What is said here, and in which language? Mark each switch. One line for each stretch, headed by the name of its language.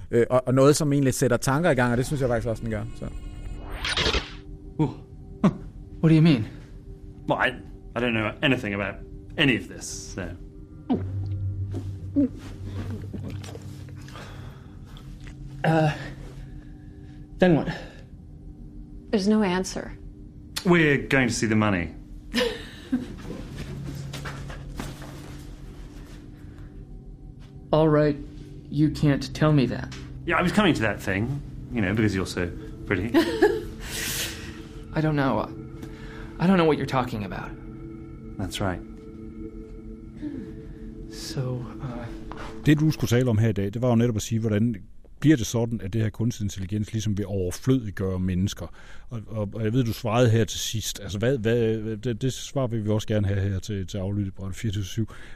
Danish: Og noget, som egentlig sætter tanker i gang, og det synes jeg faktisk også, den gør.
English: What do you mean? Well, I don't know anything about any of this, so... Then what? There's no answer. We're going to see the money. All right, you can't tell me that. Yeah, I was coming to that thing, you know, because you're so pretty. I don't know. I don't know what you're talking about. That's right. So,
Danish: Det du skulle tale om her i dag, det var jo netop at sige, hvordan bliver det sådan, at det her kunstig intelligens ligesom vil overflødiggøre mennesker? Og jeg ved, du svarede her til sidst. Altså, det svar vil vi også gerne have her til aflyttet på 24/7.